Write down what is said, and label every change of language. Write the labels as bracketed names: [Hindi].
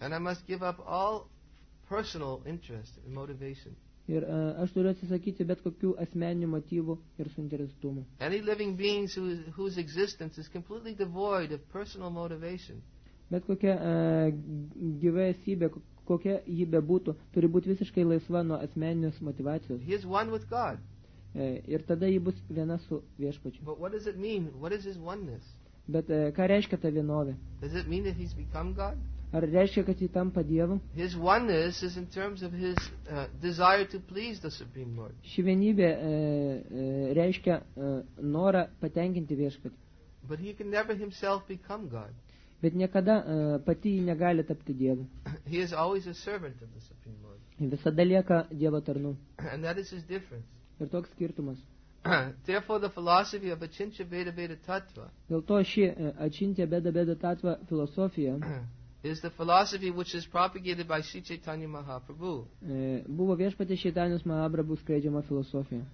[English] And I must give up all personal interest and motivation. [Lithuanian] Ir aš turiu atsisakyti bet kokių asmeninių motyvų ir suinteresuotumų. [English] Any living beings whose existence is completely devoid of personal motivation. [Lithuanian] Bet kokia gyva esybė, kokia ji bebūtų, turi būti visiškai laisva nuo asmeninės motivacijos. [English] He is one with God. [Lithuanian] Ir tada ji bus viena su viešpačiu. [English] But what does it mean? What is his oneness? [Lithuanian] Bet ką reiškia ta vienovė? [English] Does it mean that he's become God? [Lithuanian] Ar reiškia, kad jis tampa Dievu? [English] His oneness is in terms of his desire to please the Supreme Lord. [Lithuanian] Ši vienybė reiškia norą patenkinti viešpatį. [English] But he can never himself become God. [Lithuanian] Bet niekada pati jį negali tapti Dievu. [English] He is always a servant of the Supreme Lord. [Lithuanian] Visada lieka Dievo tarnu. [English] And that is his difference. [Lithuanian] Ir toks skirtumas. [English] Therefore the philosophy of Achintya Veda Veda Tattva. [Lithuanian] Dėl to ši Achintya Veda Veda Tattva filosofija [English] is the philosophy which is propagated by Sri Chaitanya Mahaprabhu. [Lithuanian] Buvo viešpatės Chaitanyos Mahaprabhu skleidžiama filosofija.